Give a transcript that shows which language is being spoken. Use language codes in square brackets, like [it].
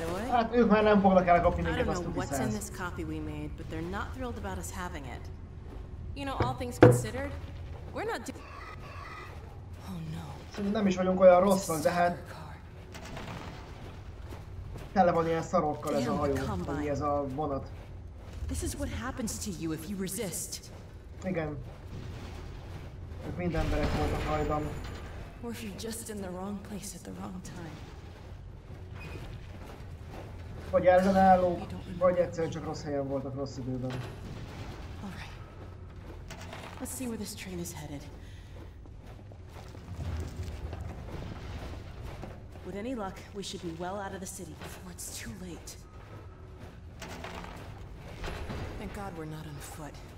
[hu] Hát ők már nem fognak elkapni minket, azt tudom. [en] What's in this copy we made, but they're not thrilled about us having it. You know, all things considered, we're not. [hu] Nem is vagyunk olyan rosszak, de hát... Tele van ilyen szarokkal ez a hajó, ami ez a vonat. [en] This is what happens to you if you resist. [hu] Igen. Ők mind emberek voltak hajdan. [en] Or if you're just in the wrong place at the wrong time. [hu] Vagy ellenállók, vagy egyszerűen csak rossz helyen voltak rossz időben. [en] Alright. Let's see where this train is headed. With any luck, we should be well out of the city before it's too late. Thank God we're not on foot.